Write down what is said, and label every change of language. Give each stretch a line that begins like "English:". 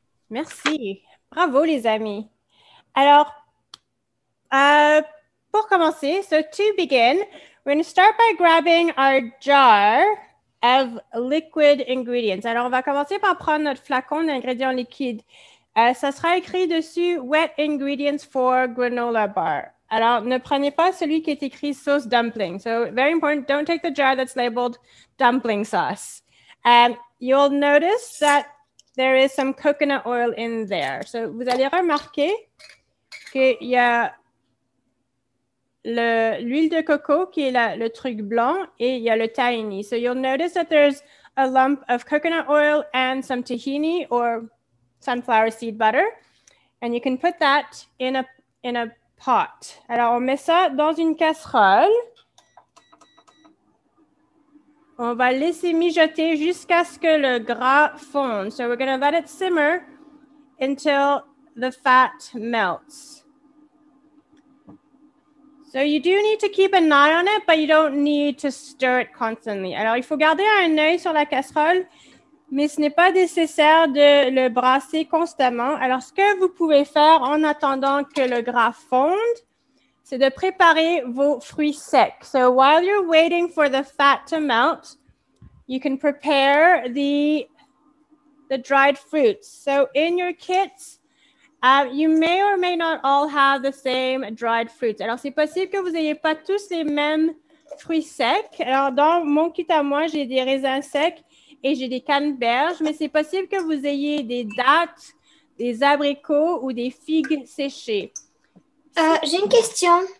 French: Merci. Bravo, les amis. Alors, pour commencer,
English: so to begin, we're going to start by grabbing our jar of liquid ingredients.
French: Alors, on va commencer par prendre notre flacon d'ingrédients liquides. Ça sera écrit dessus «
English: Wet ingredients for granola bar ».
French: Alors, ne prenez pas celui qui est écrit « sauce dumpling ».
English: So, very important, don't take the jar that's labeled « dumpling sauce ». You'll notice that there is some coconut oil in there.
French: So, vous allez remarquer qu'il y a l'huile de coco qui est le truc blanc et il y a le tahini.
English: So, you'll notice that there's a lump of coconut oil and some tahini or sunflower seed butter. And you can put that in a pot.
French: Alors, on met ça dans une casserole. On va laisser mijoter jusqu'à ce que le gras fonde.
English: So, we're going to let it simmer until the fat melts. So, you do need to keep an eye on it, but you don't need to stir it constantly.
French: Alors, il faut garder un œil sur la casserole, mais ce n'est pas nécessaire de le brasser constamment. Alors, ce que vous pouvez faire en attendant que le gras fonde, c'est de préparer vos fruits secs.
English: So, while you're waiting for the fat to melt, you can prepare the dried fruits. So, in your kits, you may or may not all have the same dried fruits.
French: Alors, c'est possible que vous n'ayez pas tous les mêmes fruits secs. Alors, dans mon kit à moi, j'ai des raisins secs et j'ai des canneberges, mais c'est possible que vous ayez des dattes, des abricots ou des figues séchées. J'ai une question.